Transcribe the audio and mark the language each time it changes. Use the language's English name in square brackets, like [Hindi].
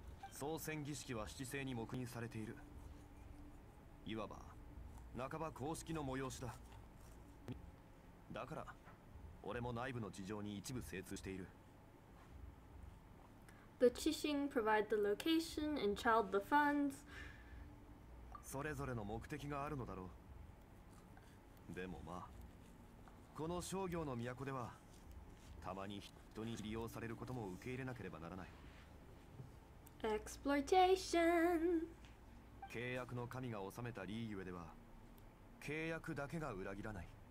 [Japanese] 総選儀式は七星に黙認されている。いわば、半ば公式の催しだ。だから、俺も内部の事情に一部精通している。 [English] The Qixing provide the location and child the funds. [Japanese] それぞれの目的があるのだろう。でもまあ、この商業の都では、たまに人に利用されることも受け入れなければならない。 [English] Exploitation! [Japanese] 契約の神が治めたリーユエでは、契約だけが裏切らない。